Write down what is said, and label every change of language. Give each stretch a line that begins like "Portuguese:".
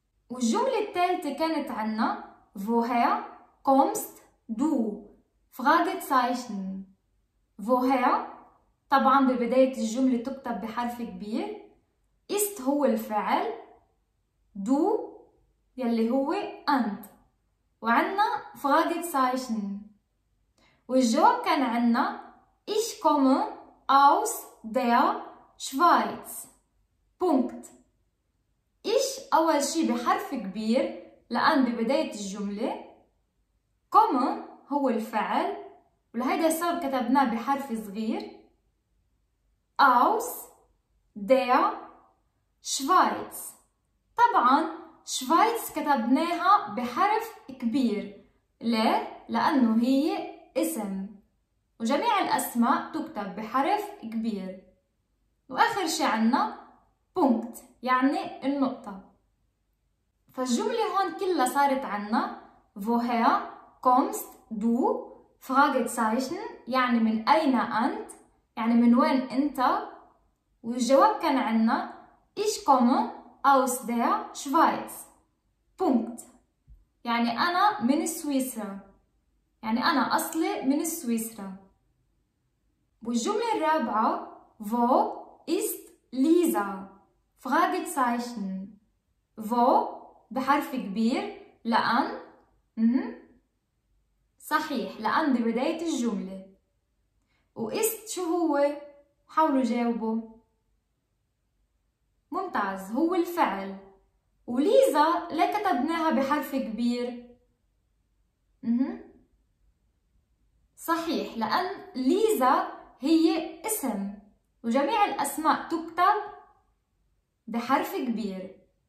Arabic: والجملة الثالثة كانت عنا
German: Woher kommst du Fragezeichen.
Arabic: Woher طبعا ببداية الجملة تكتب بحرف كبير، ist هو الفعل، du يلي هو أنت، وعنا Fragezeichen. والجواب كان عنا
German: Ich komme aus der Schweiz بونكت.
Arabic: إيش أول شيء بحرف كبير لأن ببداية الجملة، كومه هو الفعل ولهذا السبب كتبناه بحرف صغير،
German: أوس دير شفايتس.
Arabic: طبعا شفايتس كتبناها بحرف كبير ليه؟ لأنه هي اسم، وجميع الأسماء تكتب بحرف كبير. وآخر شيء عنا بونكت يعني النقطة. فالجملة هون كلها صارت عنا
German: Woher kommst du Fragezeichen
Arabic: يعني من أين أنت يعني من وين أنت، والجواب كان عنا
German: Ich komme aus der Schweiz
Arabic: بونكت يعني أنا من سويسرا يعني أنا أصلي من سويسرا. والجملة الرابعة
German: Wo ist Lisa Fragezeichen.
Arabic: Wo بحرف كبير لأن صحيح لأن ببداية الجملة، وإست شو هو؟ حاولوا جاوبوا. ممتاز هو الفعل. وليزا ليه كتبناها بحرف كبير؟ صحيح لأن ليزا هي اسم، وجميع الأسماء تكتب بحرف كبير.